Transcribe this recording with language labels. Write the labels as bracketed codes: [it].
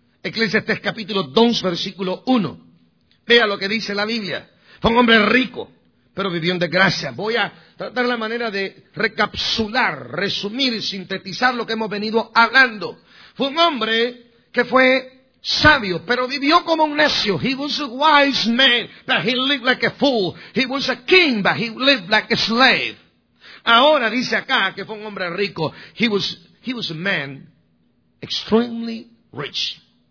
[es] Eclesiastés capítulo 2, versículo 1. Vea lo que dice la Biblia. Fue un hombre rico, pero vivió en desgracia. Voy a tratar la manera de recapsular, resumir y sintetizar lo que hemos venido hablando. Fue un hombre que fue sabio, pero vivió como un necio. [en] He was a wise man, but he lived like a fool. He was a king, but he lived like a slave. [es] Ahora dice acá que fue un hombre rico. [en] He was a man extremely rich.